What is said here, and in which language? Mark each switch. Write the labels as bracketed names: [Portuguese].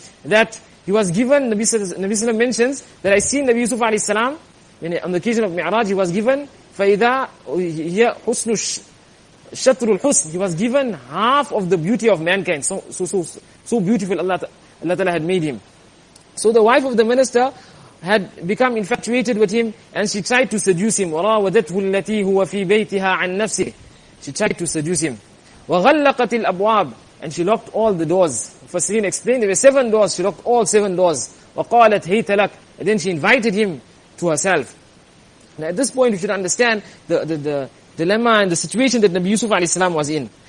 [English] That he was given, Nabi Sallam mentions, that I seen Nabi Yusuf alayhi salam, on the occasion of Mi'raj, he was given, [Arabic] فَإِذَا حُسْنُ شَطْرُ الْحُسْنِ [English] He was given half of the beauty of mankind. So beautiful Allah ta'ala had made him. So the wife of the minister had become infatuated with him, and she tried to seduce him. [Arabic] وراودته التي هو في بيتها عن نفسه. [English] She tried to seduce him. [Arabic] وغلقت الأبواب, [English] and she locked all the doors. Fasreen explained, there were seven doors. She locked all seven doors. [Arabic] وقالت هيت لك, [English] and then she invited him to herself. Now at this point, we should understand the dilemma and the situation that Nabi Yusuf alayhi salam was in.